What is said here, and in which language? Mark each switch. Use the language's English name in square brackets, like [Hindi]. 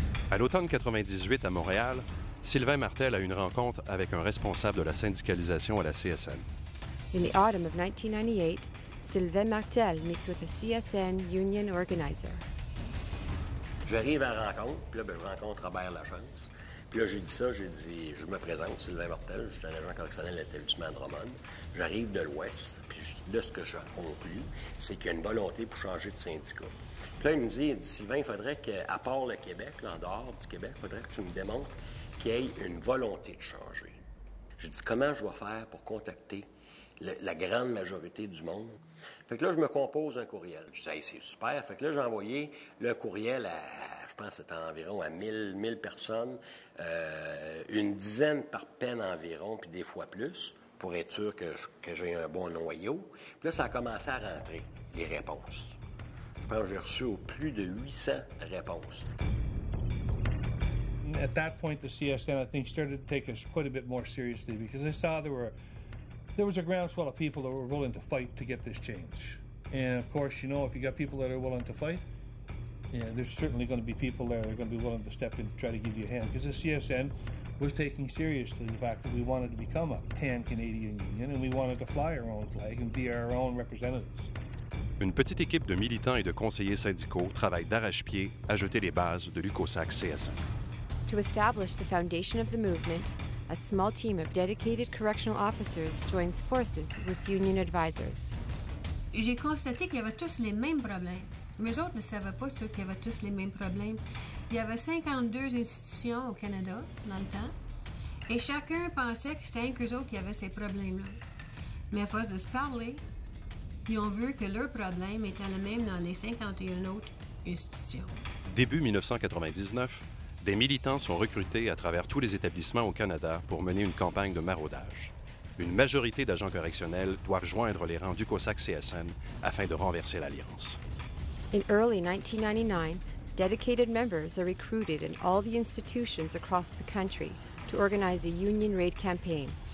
[French] À l'automne 98 à Montréal, Sylvain Martel a une rencontre avec un responsable de la syndicalisation à la CSN. [English] In the autumn of 1998, Sylvain Martel meets with a CSN union organizer. [French] J'arrive à la rencontre, puis là, ben, je rencontre Robert Lachance. Puis là, j'ai dit ça, j'ai dit, je me présente, Sylvain Martel, je suis un agent correctionnel établissement de Drummond. J'arrive de l'Ouest, puis là, ce que je conclue, c'est qu'il y a une volonté pour changer de syndicat. Puis là, il me dit, Sylvain, il faudrait qu'à part le Québec, là, en dehors du Québec, il faudrait que tu me démontres qu'il y ait une volonté de changer. Je dis, comment je dois faire pour contacter la grande majorité du monde? Fait que là, je me compose un courriel. Je dis, hey, c'est super. Fait que là, j'ai envoyé le courriel à, je pense, c'était environ à 1000 personnes, une dizaine par peine environ, puis des fois plus, pour être sûr que j'ai un bon noyau. Puis là, ça a commencé à rentrer, les réponses. Je pense que j'ai reçu plus de 800 réponses. [English] At that point, the CSN, I think, started to take us quite a bit more seriously because they saw there was a groundswell of people that were willing to fight to get this change. And of course, you know, if you got people that are willing to fight, yeah, there's certainly going to be people there that are going to be willing to step in and try to give you a hand. Because the CSN was taking seriously the fact that we wanted to become a pan-Canadian union and we wanted to fly our own flag and be our own representatives. [French] Une petite équipe de militants et de conseillers syndicaux travaille d'arrache-pied à jeter les bases de l'UCOSAC CSN. [English] To establish the foundation of the movement, a small team of dedicated correctional officers joins forces with union advisors. [French] J'ai constaté qu'il y avait tous les mêmes problèmes. Mes autres ne savaient pas sûr qu'il y avait tous les mêmes problèmes. Il y avait 52 institutions au Canada dans le temps, et chacun pensait que c'était un qu'eux autres qui avaient ces problèmes-là. Mais à force de se parler, ils ont vu que leur problème était le même dans les 51 autres institutions. Début 1999, des militants sont recrutés à travers tous les établissements au Canada pour mener une campagne de maraudage. Une majorité d'agents correctionnels doivent joindre les rangs du COSAC CSN afin de renverser l'Alliance. [English] In early 1999, dedicated members are recruited in all the institutions across the country to organize a union raid campaign.